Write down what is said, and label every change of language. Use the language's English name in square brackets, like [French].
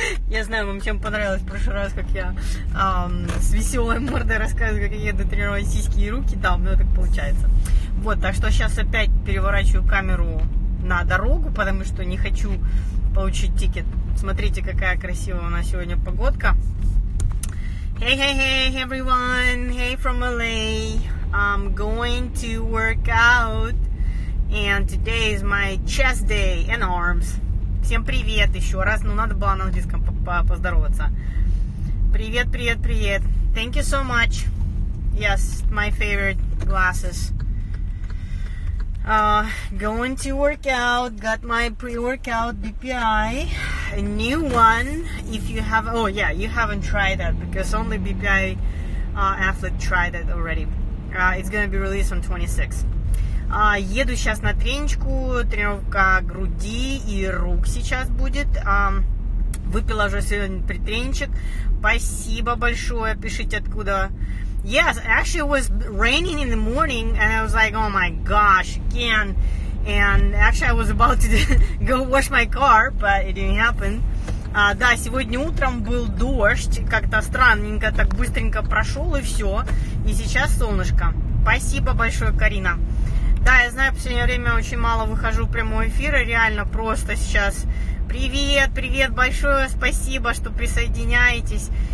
[Russian] Я знаю, вам всем понравилось в прошлый раз, как я с веселой мордой рассказываю, как я еду тренировать сиськи и руки. Да, у меня так получается. Вот, так что сейчас опять переворачиваю камеру на дорогу, потому что не хочу получить тикет. Смотрите, какая красивая у нас сегодня погодка. [English] Hey, hey, hey, everyone! Hey from LA! I'm going to work out, and today is my chest day and arms. [Russian] Всем привет еще раз, но надо было на английском поздороваться. Привет, привет, привет! [English] Thank you so much! Yes, my favorite glasses. Going to work out, got my pre-workout BPI. A new one, if you have, oh yeah, you haven't tried that, because only BPI athlete tried it already. It's gonna be released on 26. [Russian] Еду сейчас на тренировку, тренировка груди и рук сейчас будет. Выпила уже сегодня притренчик. Спасибо большое, пишите откуда. [English] Yes, actually it was raining in the morning, and I was like, oh my gosh, again. And actually, I was about to go wash my car, but it didn't happen. [Russian] Да, сегодня утром был дождь, как-то странненько, так быстренько прошел и все. И сейчас солнышко. Спасибо большое, Карина. Да, я знаю, в последнее время очень мало выхожу в прямой эфир, и реально просто сейчас. Привет, привет, большое спасибо, что присоединяетесь.